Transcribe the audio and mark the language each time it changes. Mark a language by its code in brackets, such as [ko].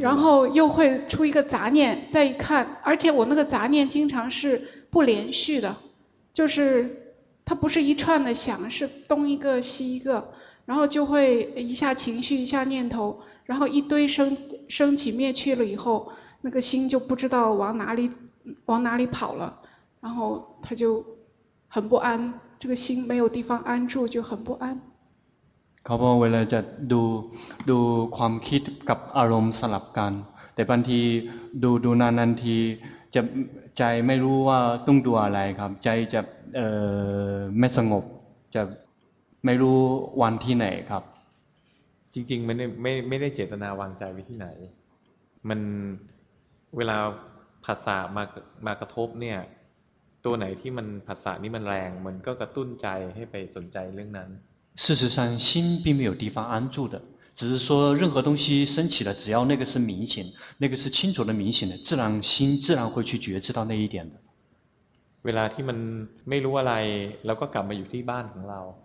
[zh] 然后又会出一个杂念，再一看，而且我那个杂念经常是不连续的，就是它不是一串的响，是东一个西一个，然后就会一下情绪一下念头，然后一堆升起灭去了以后，那个心就不知道往哪里跑了，然后它就很不安，这个心没有地方安住就很不安。 [th] เขาบอกเวลาจะดูความคิดกับอารมณ์สลับกันแต่บางทีดูนานๆทีจะใจไม่รู้ว่าต้องดูอะไรครับใจจะไม่สงบจะไม่รู้วันที่ไหนครับ จริงๆไม่ได้เจตนาวางใจไว้ที่ไหนมันเวลาผัสสะมากระทบเนี่ยตัวไหนที่มันผัสสะนี่มันแรงมันก็กระตุ้นใจให้ไปสนใจเรื่องนั้น [zh] 事实上心并没有地方安住的，只是说任何东西升起了，只要那个是明显，那个是清楚的明显的，自然心自然会去觉知到那一点的。 [th] เวลาที่มันไม่รู้อะไรแล้วก็กลับมาอยู่ที่บ้านของเรา